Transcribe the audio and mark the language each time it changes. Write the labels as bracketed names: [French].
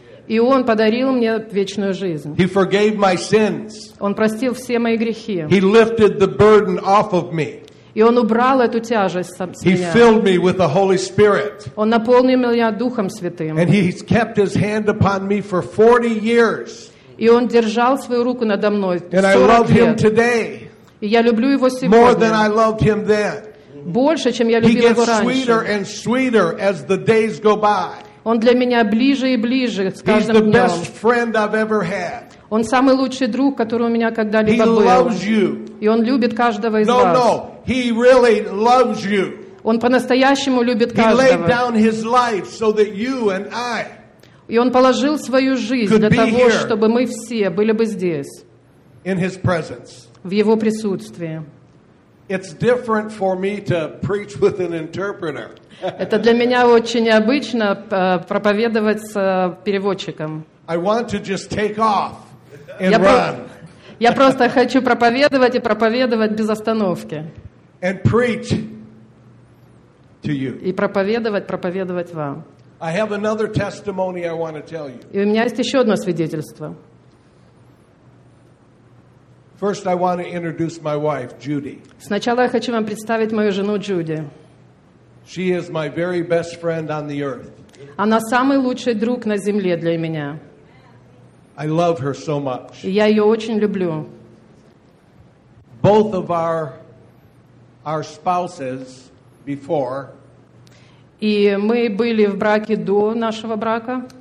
[Russian] И Он подарил мне вечную жизнь. [English] He forgave my sins. [Russian] Он простил все мои грехи. [English] He lifted the burden off of me. [Russian] И Он убрал эту тяжесть с меня. [English] He filled me with the Holy Spirit. [Russian] Он наполнил меня Духом Святым. [English] And he's kept his hand upon me for 40 years. [Russian] И Он держал свою руку надо мной 40 лет. [English] And I love him today. [Russian] И я люблю его сегодня. [English] More than I loved him then. [Russian] Больше, чем я любил его раньше. [English] He gets sweeter and sweeter as the days go by. [Russian] Он для меня ближе и ближе с каждым днем. [English] He's the best friend I've ever had. [Russian] Он самый лучший друг, который у меня когда-либо был. [English] He loves you. [Russian] И Он любит каждого из вас. [English] No. He really loves you. [Russian] Он по-настоящему любит каждого. [English] He laid down his life so that you and I. [Russian] И он положил свою жизнь для того, чтобы мы все были бы здесь. [English] In his presence. [Russian] В его присутствии. [English] It's different for me to preach with an interpreter. [Russian] Это для меня очень необычно проповедовать с переводчиком. [English] I want to just take off and run. [Russian] Я просто хочу проповедовать и проповедовать без остановки. [English] And preach to you. [Russian] И проповедовать, проповедовать вам. [English] I have another testimony I want to tell you. [Russian] И у меня есть еще одно свидетельство. [English] First, I want to introduce my wife, Judy. [Russian] Сначала я хочу вам представить мою жену Джуди. [English] She is my very best friend on the earth. [Russian] Она самый лучший друг на земле для меня. [English] I love her so much. [Russian] Я ее очень люблю. [English] Both of our spouses before. [Russian] И мы были в браке до нашего брака.